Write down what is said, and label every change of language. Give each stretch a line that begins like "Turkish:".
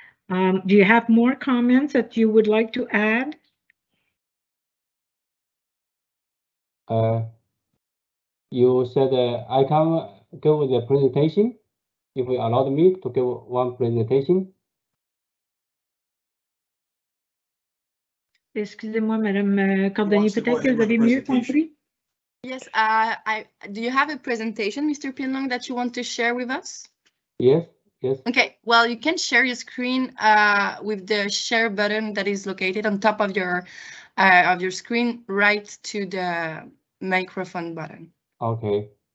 English: Do you have more comments that you would like to add? You said I can go with the presentation, if you allow me to give one presentation.
French: Excusez-moi, Madame Cordani, peut-être que vous avez mieux compris?
English: Yes, do you have a presentation, Mr. Pinlong, that you want to share with us? Yes. Okay, well, you can share your screen with the share button that is located on top of your screen, right to the microphone button. Okay.